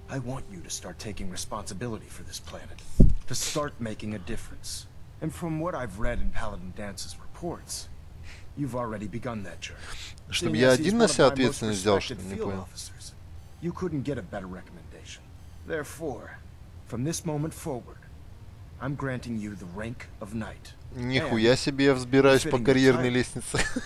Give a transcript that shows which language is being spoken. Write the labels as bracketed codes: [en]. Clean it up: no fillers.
[en] I want you to start taking responsibility for this planet. To start making a difference. And from what I've read in Paladin Dance's reports, you've already begun that journey. [ru] Чтобы я один на себя ответственность взял, что ли, не понял. [en] You couldn't get a better recommendation. Therefore, from this moment forward, I'm granting you the rank of knight. [ru] Нихуя себе я взбираюсь по карьерной лестнице.